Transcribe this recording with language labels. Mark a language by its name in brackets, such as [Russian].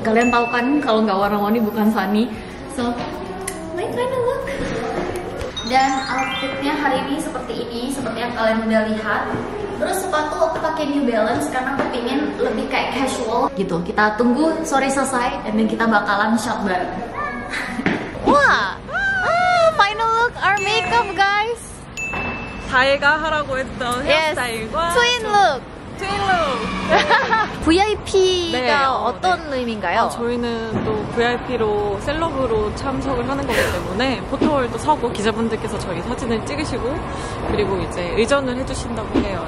[Indonesian] Kalian tahu kan kalau enggak warna-warni bukan Sunny. [English] So, my kind of look. [Indonesian] Dan outfitnya hari ini, seperti yang kalian udah lihat. Terus sepatu aku pakai New Balance karena aku pingin lebih kayak casual gitu. Kita tunggu sore selesai dan then kita bakalan shop bareng. [English] Wah, final look, our makeup guys. [Korean] 다혜가 하라고 했던 헤어스타일과 트윈 룩. 트윈 룩. VIP가 네, 어떤 네. 의미인가요? 저희는 또 VIP로 셀럽으로 참석을 하는 거기 때문에 포토월도 서고 기자분들께서 저희 사진을 찍으시고 그리고 이제 의전을 해주신다고 해요.